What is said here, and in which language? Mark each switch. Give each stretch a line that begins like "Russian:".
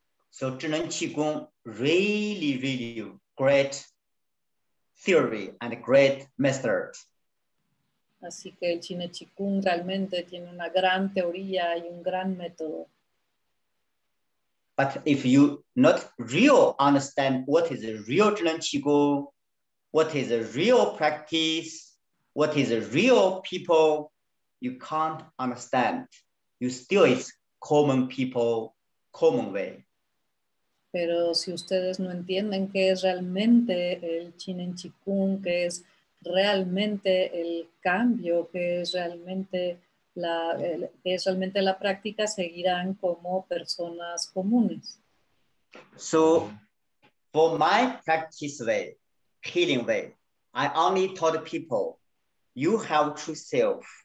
English: So, Zhenren Qigong, really, really great theory and great master.
Spanish: Así que el Chine Qigong realmente tiene una gran teoría y un gran método.
English: But if you not real understand what is a real Zhenren Qigong, what is a real practice, what is a real people, you can't understand. You still is common people, common way.
Spanish: Pero si ustedes no entienden qué es realmente el Chinen Qigong, qué es realmente el cambio, qué es realmente la práctica, seguirán como personas comunes.
English: So, for my practice way, healing way, I only told people, you have true self.